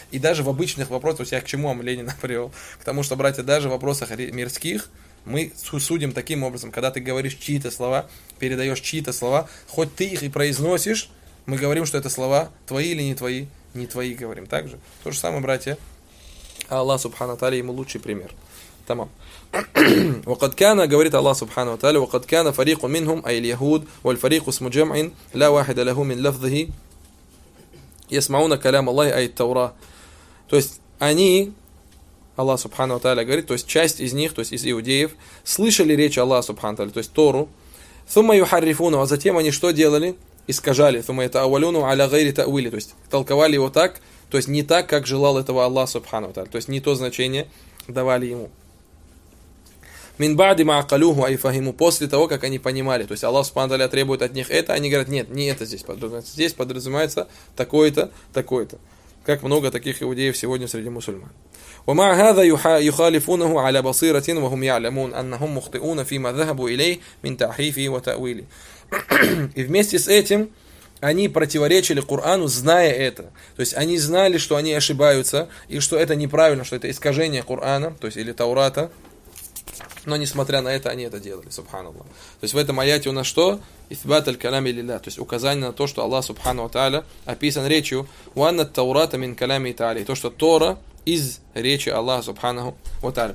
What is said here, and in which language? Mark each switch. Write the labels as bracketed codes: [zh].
[ru] И даже в обычных вопросах, то есть я к чему вам Ленина привел? К тому, что, братья, даже в вопросах мирских. Мы судим таким образом, когда ты говоришь чьи-то слова, передаешь чьи-то слова, хоть ты их и произносишь, мы говорим, что это слова твои или не твои, не твои говорим. Так же, то же самое, братья, Аллах Субхану Тааля ему лучший пример. Тамам. [ar] وقد كان [ru] говорит Аллах Субхану Тааля, [ar] وقد كان فريق منهم أي اليهود والفريق اسم جمع لا واحد له من لفظه يسمعون كلام الله أي التوراة. [ru] То есть они, Аллах Субхану Тааля говорит, то есть часть из них, то есть из иудеев, слышали речь Аллаха Субхану Тааля, то есть Тору. [ar] Сумма юхаррифуну, [ru] а затем они что делали? Искажали. [ar] Сумма ятаавалюну аля гайри тауили, [ru] то есть толковали его так, то есть не так, как желал этого Аллах Субхану Тааля, то есть не то значение давали ему. [ar] Мин бади маакалюху айфахиму, [ru] после того, как они понимали. То есть Аллах Субхану Тааля требует от них это, они говорят, нет, не это здесь подразумевается. Здесь подразумевается такое-то, такое-то. Как много таких иудеев сегодня среди мусульман. [ar] وما هذا يخالفونه على بصيرة وهم يعلمون أنهم مخطئون فيما ذهبوا إليه من تحريف وتأويل. [ru] И вместе с этим они противоречили Корану, зная это. То есть они знали, что они ошибаются и что это неправильно, что это искажение Корана, то есть или Таурата. Но несмотря на это, они это делали, субханаллах. То есть в этом аяте у нас что? [ar] Ифбат аль-калами лилля, [ru] то есть указание на то, что Аллах субхану ва тааля описан речью [ar] ванна таурата мин калами тааля, [ru] то, что Тора из речи Аллаха субханаху ва тааля.